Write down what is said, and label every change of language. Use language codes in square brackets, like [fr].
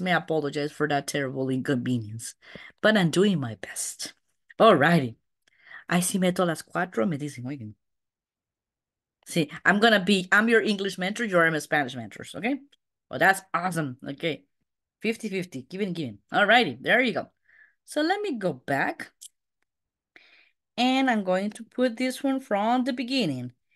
[en] Me apologize for that terrible inconvenience, but I'm doing my best. Alrighty. [es] Ay, si meto las cuatro, me dicen, oigan. [en] See, I'm your English mentor, you're my Spanish mentor, okay? Well, that's awesome, okay? 50-50, given. Alrighty, there you go. So let me go back. And I'm going to put this one from the beginning.